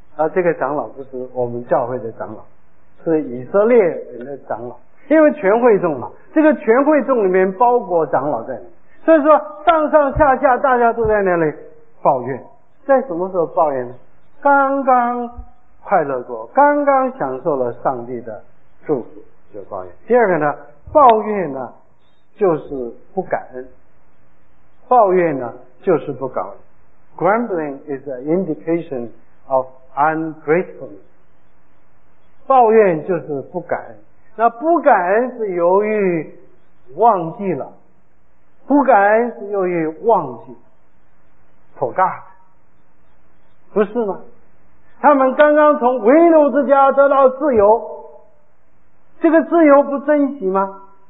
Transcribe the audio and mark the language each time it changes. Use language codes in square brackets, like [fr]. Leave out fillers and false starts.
[zh] 那这个长老不是我们教会的长老，是以色列人的长老，因为全会众嘛，这个全会众里面包括长老在里面，所以说上上下下大家都在那里抱怨。在什么时候抱怨呢？刚刚快乐过，刚刚享受了上帝的祝福就抱怨。第二个呢，抱怨呢就是不感恩，抱怨呢就是不感恩。 [en] Grumbling is an indication of ungratefulness. [zh] 抱怨就是不感恩，那不感恩是由于忘记了，不感恩是由于忘记 forgot， 不是吗？他们刚刚从为奴之家得到自由，这个自由不珍惜吗？